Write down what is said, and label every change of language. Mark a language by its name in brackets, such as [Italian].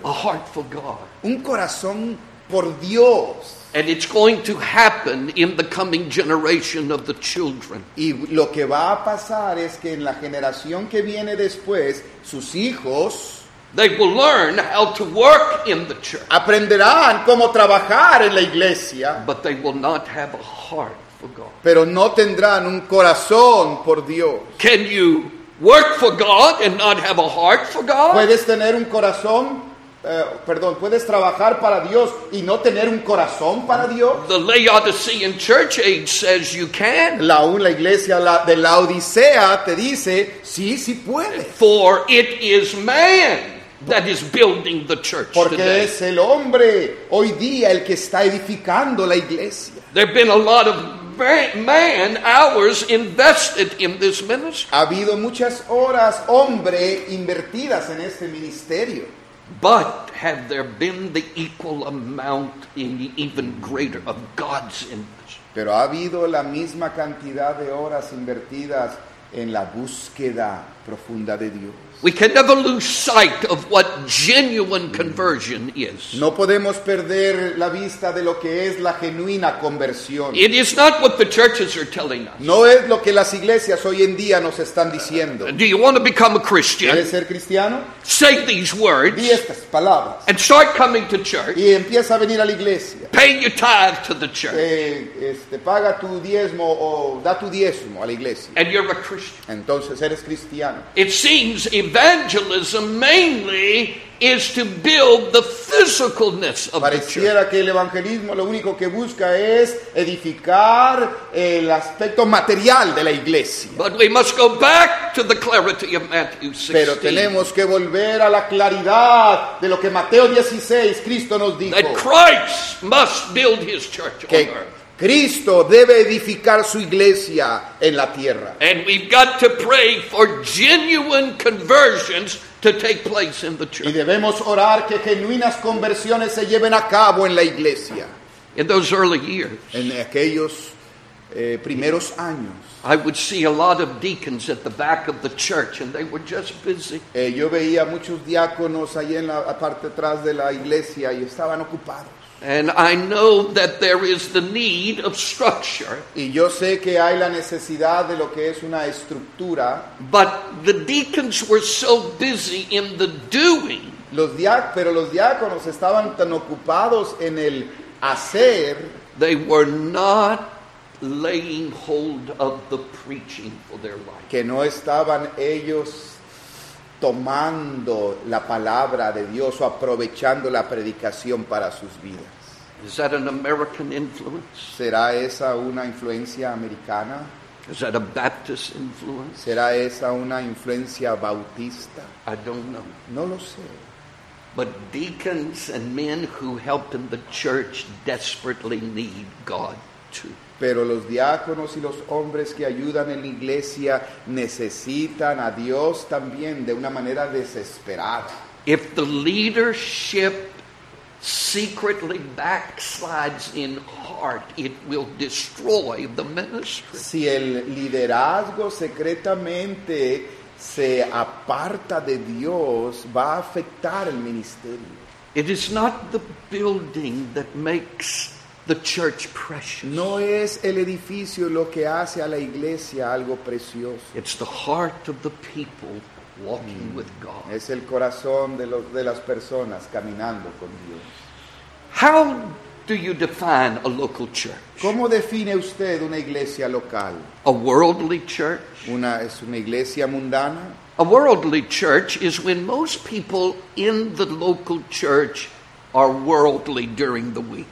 [English] A heart for God. [Spanish] Un corazón por Dios. [English] And it's going to happen in the coming generation of the children. [Spanish] Y lo que va a pasar es que en la generación que viene después, sus hijos, [English] they will learn how to work in the church. [Spanish] Aprenderán cómo trabajar en la iglesia. [English] But they will not have a heart for God. [Spanish] Pero no tendrán un corazón por Dios. [English] Can you work for God and not have a heart for God? [Spanish] ¿Puedes tener un corazón? Puedes trabajar para Dios y no tener un corazón para Dios. [English] The Laodicean church age says you can. [Spanish] La iglesia de Laodicea te dice, sí, sí puedes. [English] For it is man that is building the church. [Spanish] Porque [English] today. [Spanish] Es el hombre hoy día el que está edificando la iglesia. [English] There've been a lot of man hours invested in this ministry. [Spanish] Ha habido muchas horas hombre invertidas en este ministerio. [English] But have there been the equal amount, even greater, of God's interest? [Spanish] Pero ha habido la misma cantidad de horas invertidas en la búsqueda profunda de Dios. [English] We can never lose sight of what genuine conversion is. [Spanish] No podemos perder la vista de lo que es la genuina conversión. [English] It is not what the churches are telling us. [Spanish] No es lo que las iglesias hoy en día nos están diciendo. [English] Do you want to become a Christian? [Spanish] ¿Quieres ser cristiano? [English] Say these words. [Spanish] Di estas palabras. [English] And start coming to church. [Spanish] Y empieza a venir a la iglesia. [English] Pay your tithe to the church. [Spanish] Paga tu diezmo o da tu diezmo a la iglesia. [English] And you're a Christian. [Spanish] Entonces eres cristiano. [English] It seems evangelism mainly is to build the physicalness of the church. [Spanish] Pareciera que el evangelismo lo único que busca es edificar el aspecto material de la iglesia. [English] But we must go back to the clarity of Matthew 16. [Spanish] Pero tenemos que volver a la claridad de lo que Mateo 16 Cristo nos dijo. [English] That Christ must build his church on earth. [Spanish] Cristo debe edificar su iglesia en la tierra. [English] And we've got to pray for genuine conversions to take place in the church. [Spanish] Y debemos orar que genuinas conversiones se lleven a cabo en la iglesia. [English] In those early years, [Spanish] en aquellos primeros años, [English] I would see a lot of deacons at the back of the church, and they were just busy. [Spanish] Yo veía muchos diáconos ahí en la parte atrás de la iglesia y estaban ocupados. [English] And I know that there is the need of structure. [Spanish] Y yo sé que hay la necesidad de lo que es una estructura. [English] But the deacons were so busy in the doing. [Spanish] Los diáconos estaban tan ocupados en el hacer. [English] They were not laying hold of the preaching for their life. [Spanish] Que no estaban ellos tomando la palabra de Dios o aprovechando la predicación para sus vidas. [English] Is that an American influence? [Spanish] ¿Será esa una influencia americana? [English] Is that a Baptist influence? [Spanish] ¿Será esa una influencia bautista? [English] I don't know. [Spanish] No lo sé. [English] But deacons and men who help in the church desperately need God too. [Spanish] Pero los diáconos y los hombres que ayudan en la iglesia necesitan a Dios también de una manera desesperada. [English] If the leadership secretly backslides in heart, it will destroy the ministry. [Spanish] Si el liderazgo secretamente se aparta de Dios, va a afectar el ministerio. [English] It is not the building that makes the church precious. [Spanish] No es el edificio lo que hace a la iglesia algo precioso. [English] It's the heart of the people walking with God. [Spanish] Es el corazón de las personas caminando con Dios. [English] How do you define a local church? [Spanish] ¿Cómo define usted una iglesia local? [English] A worldly church? [Spanish] Es una iglesia mundana? [English] A worldly church is when most people in the local church are worldly during the week.